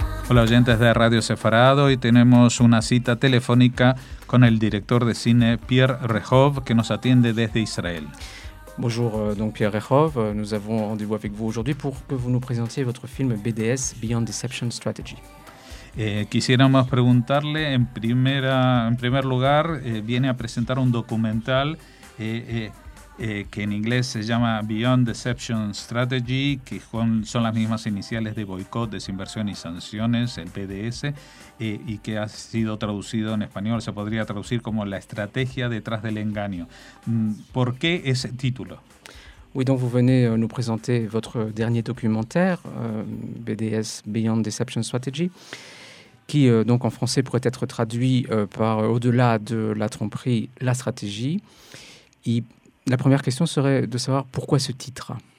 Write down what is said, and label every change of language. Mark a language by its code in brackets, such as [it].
[es] Hola oyentes de Radio Sefarad, hoy tenemos una cita telefónica con el director de cine Pierre Rehov, que nos atiende desde Israel. [fr] Bonjour, donc Pierre Rehov, nous avons rendez-vous avec vous aujourd'hui pour que vous nous présentiez votre film BDS, Beyond Deception Strategy. [es] Quisiéramos preguntarle, en primer lugar, viene a presentar un documental que en inglés se llama Beyond Deception Strategy, que son las mismas iniciales de boicot, desinversión y sanciones, el BDS, y que ha sido traducido en español, se podría traducir como la estrategia detrás del engaño. ¿Por qué ese título? [fr] Oui, donc vous venez nous présenter votre dernier documentaire, BDS, Beyond Deception Strategy, qui donc en français pourrait être traduit par au-delà de la tromperie, la stratégie. La première question serait de savoir pourquoi ce titre.